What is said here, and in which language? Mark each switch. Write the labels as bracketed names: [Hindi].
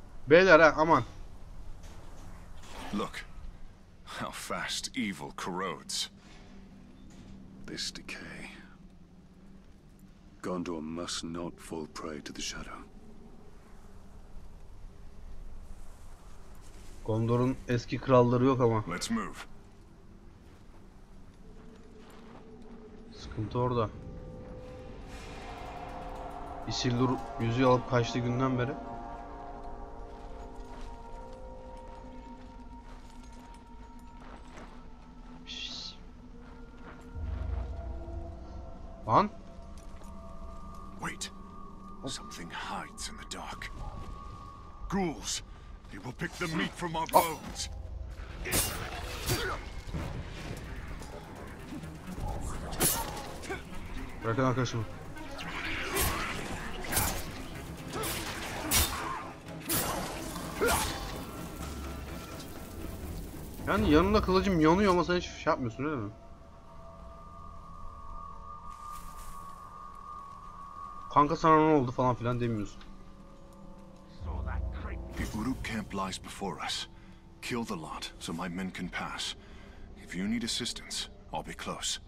[Turkish] Beyler ha, aman. [English] Look how fast evil corrodes. This decay. Gondor must not fall prey to the shadow. [Turkish] Gondor'un eski kralları yok ama. [English] Let's move. [Turkish] Sıkıntı orada. Isildur yüzüğü alıp kaçtı günden beri. Lan. [English] Wait. Something hides in the dark. Ghouls. They will pick the meat from our bones. [Turkish] Bırakın arkadaşımı. Yani yanında kılıcım yanıyor ama sen hiç şey yapmıyorsun öyle mi? Kanka sana ne oldu falan filan demiyorsun. [English] The Uruk camp lies before us. Kill the lot so my men can pass. If you need assistance, I'll be close.